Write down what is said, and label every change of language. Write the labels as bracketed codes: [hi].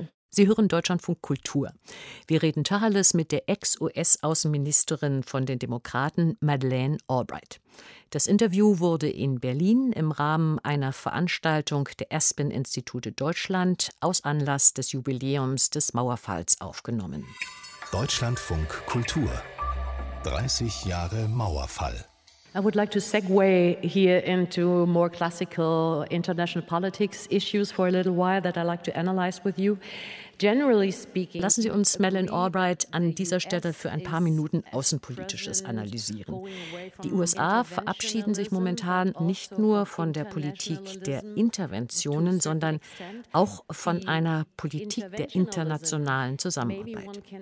[de] Sie hören Deutschlandfunk Kultur. Wir reden Tacheles mit der Ex-US-Außenministerin von den Demokraten, Madeleine Albright. Das Interview wurde in Berlin im Rahmen einer Veranstaltung der Aspen-Institute Deutschland aus Anlass des Jubiläums des Mauerfalls aufgenommen. Deutschlandfunk Kultur. 30 Jahre Mauerfall. [en] I would like to segue here into more classical international politics issues for a little while that I like to analyze with you. Generally speaking, [de] lassen Sie uns Madeleine Albright an dieser Stelle für ein paar Minuten Außenpolitisches analysieren. Die USA verabschieden sich momentan nicht nur von der Politik der Interventionen, sondern auch von einer Politik der internationalen Zusammenarbeit.